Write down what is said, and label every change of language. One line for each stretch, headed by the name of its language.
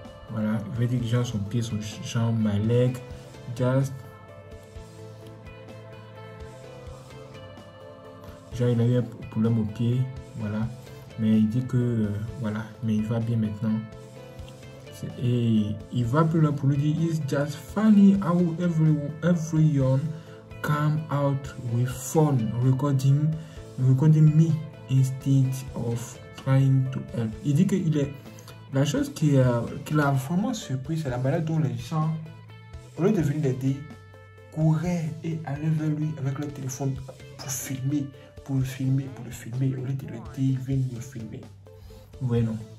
French: Voilà, il veut dire que son pied, son jambe,
English: my leg, just.
French: Genre, il a eu un problème au pied, voilà. Mais il dit que voilà, mais il va bien maintenant. Et il va plus loin pour lui dire,
English: it's just funny how everyone come out with phone recording me instead of trying to help.
French: Il dit que la chose qui l'a vraiment surpris, c'est la manière dont les gens, au lieu de venir l'aider, couraient et allaient vers lui avec leur téléphone pour filmer. Pour le filmer, au lieu de le dire, viens le filmer. Oui, non.